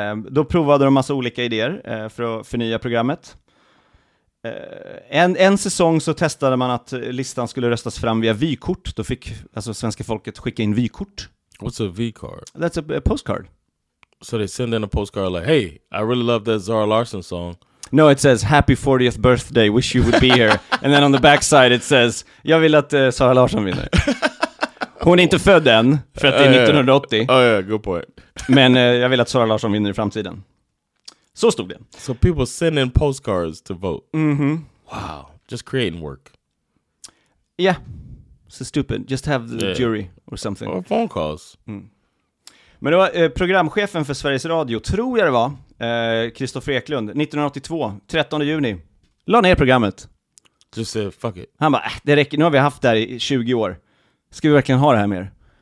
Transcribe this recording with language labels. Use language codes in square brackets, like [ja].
[sv] Då provade de massa olika idéer för att förnya programmet. En säsong så testade man att listan skulle röstas fram via vykort. Då fick alltså svenska folket skicka in vykort. [en] What's a V-card? That's a postcard. So they send in a postcard like, hey, I really love that Zara Larsson song. No, it says, happy 40th birthday, wish you would be here. And then on the backside it says, [sv] jag vill att Zara Larsson vinner. Hon är inte född än, för att det är 1980. [en] Oh, yeah, good point. [sv] Men jag vill att Zara Larsson vinner i framtiden. Så stod det. [en] So people send in postcards to vote. Mm-hmm. Wow, just creating work. Yeah, so stupid. Just have the jury or something. Or phone calls. Mm. [sv] Men det var programchefen för Sveriges Radio, tror jag det var, Kristoffer Eklund, 1982, 13 juni. La ner programmet. [en] Just say fuck it. [sv] Han bara, det räcker, nu har vi haft det här i 20 år. Ska vi verkligen ha det här mer?